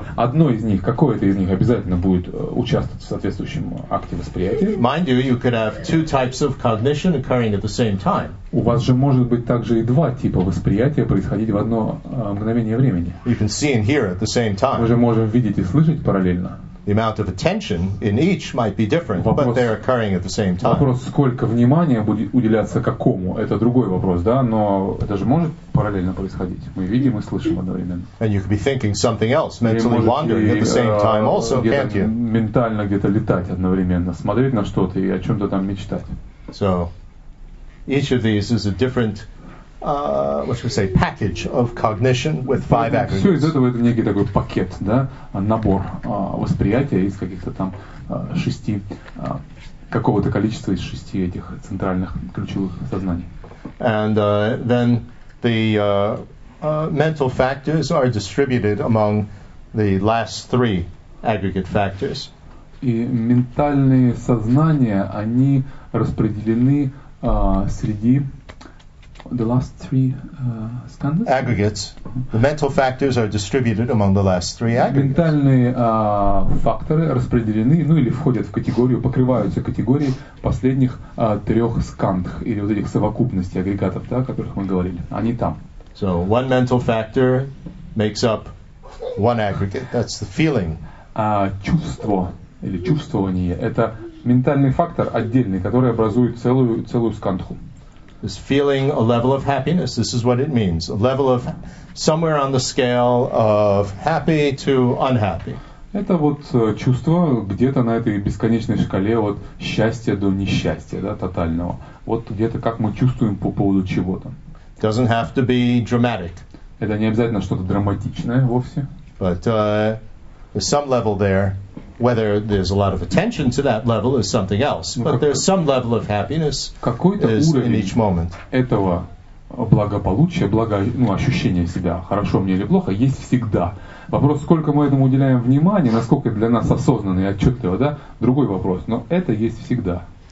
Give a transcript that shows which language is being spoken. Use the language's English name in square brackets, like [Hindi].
[Russian] Одно из них, какое-то из них обязательно будет участвовать в соответствующем акте восприятия. [English] Mind you, you could have two types of cognition occurring at the same time. [Russian] У вас же может быть также и два типа восприятия происходить в одно мгновение времени. [English] You can see and hear at the same time. [Russian] Мы же можем видеть и слышать параллельно. [English] The amount of attention in each might be different, [Russian] вопрос, [English] but they're occurring at the same time. [Russian] Вопрос, сколько внимания будет уделяться какому, это другой вопрос, да, но это же может параллельно происходить. Мы видим и слышим одновременно. [English] And you could be thinking something else, mentally wandering at the same time also, can't you? [Russian] Ментально где-то летать одновременно, смотреть на что-то и о чем-то там мечтать. [English] So, each of these is a different, what should we say, package of cognition with five aggregates. [Russian] Все из этого это некий такой пакет, да, набор восприятия из каких-то там шести, какого-то количества из шести этих центральных ключевых сознаний. [English] And then the mental factors are distributed among the last three aggregate factors. [Russian] И ментальные сознания, они распределены среди [English] the last three skandhas? Aggregates. The mental factors are distributed among the last three aggregates. [Russian] Ментальные факторы распределены, ну или входят в категорию, покрываются категорией последних трех скандх, или вот этих совокупностей агрегатов, да, о которых мы говорили. Они там. [English] So, one mental factor makes up one aggregate. That's the feeling. [Russian] Чувство, или чувствование, это ментальный фактор отдельный, который образует целую скандху. [English] This feeling, a level of happiness, this is what it means. A level of somewhere on the scale of happy to unhappy. [Russian] Это вот чувство где-то на этой бесконечной шкале от счастья до несчастья, да, тотального. Вот где-то как мы чувствуем по поводу чего-то. [English] Doesn't have to be dramatic. [Russian] Это не обязательно что-то драматичное вовсе. [English] But there's some level there. Whether there's a lot of attention to that level is something else. But there's some level of happiness in each moment. [Russian] Этого благополучия, ощущения себя, хорошо мне или плохо, есть всегда. Вопрос, сколько мы этому уделяем внимания, насколько для нас осознанно и отчетливо, да? Другой вопрос, но это есть всегда.